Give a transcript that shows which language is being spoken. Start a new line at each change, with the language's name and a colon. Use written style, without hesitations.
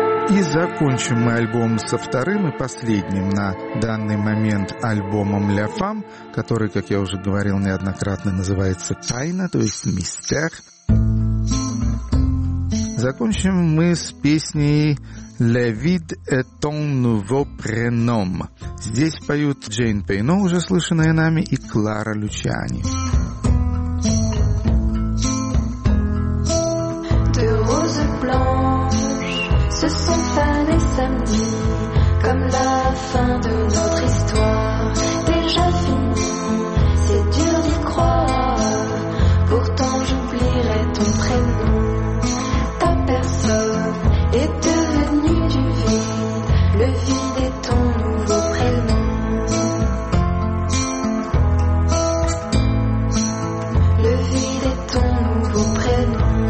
Russian: И закончим мы альбом со вторым и последним на данный момент альбомом «La Femme», который, как я уже говорил неоднократно, называется «Тайна», то есть «Мистер». Закончим мы с песней
French: «La vie est ton nouveau prénom».
Russian: Здесь поют Джейн Пейно, уже слышанная нами, и Клара Лучани.
French: Se sont fanés samedi, comme la fin de notre histoire, déjà finie, c'est dur d'y croire, pourtant j'oublierai ton prénom, ta personne est devenue du vide, le vide est ton nouveau prénom, le vide est ton nouveau prénom.